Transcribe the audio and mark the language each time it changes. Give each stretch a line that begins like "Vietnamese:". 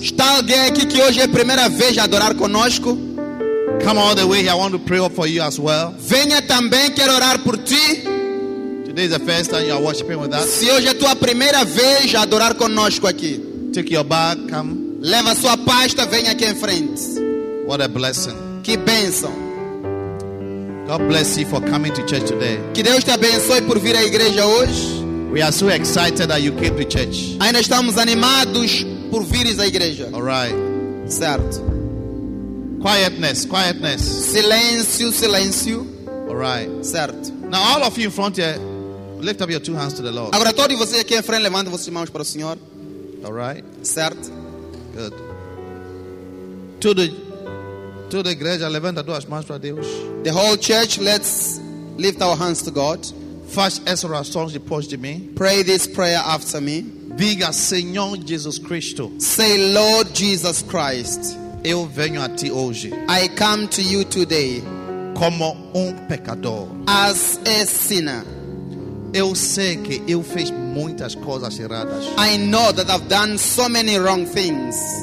Portuguese: Está alguém aqui que hoje é a primeira vez a adorar conosco?
English: Come all the way here. I want to pray up for you as well.
Portuguese: Venha também, quero orar por ti.
English: To Today is the first time you are worshiping with us.
Portuguese: Se hoje é tua primeira vez a adorar conosco aqui.
English: Take your bag, come.
Portuguese: Leva sua pasta, venha aqui em frente.
English: What a blessing.
Portuguese: Que bênção.
English: God bless you for coming to church today.
Portuguese: Que Deus te abençoe por vir à igreja hoje.
English: We are so excited that you came to church.
Portuguese: Ainda estamos animados por vires à igreja.
English: All right.
Portuguese: Certo.
English: Quietness, quietness.
Portuguese: Silêncio, silêncio.
English: All right.
Portuguese: Certo.
English: Now all of you in front here, lift up your two hands to the Lord.
Portuguese: Agora todos vocês aqui em frente, levantem suas mãos para o Senhor.
English: All right. Certo. Good.
Portuguese: Toda a igreja, levanta duas mãos para Deus.
English: The whole church, let's lift our hands to God.
Portuguese: Faz essa oração depois de mim.
English: Pray this prayer after me.
Portuguese: Diga, Senhor Jesus Cristo.
English: Say, Lord Jesus Christ.
Portuguese: Eu venho a ti hoje.
English: I come to you today.
Portuguese: Como pecador.
English: As a sinner.
Portuguese: Eu sei que eu fiz muitas coisas erradas.
English: I know that I've done so many wrong things.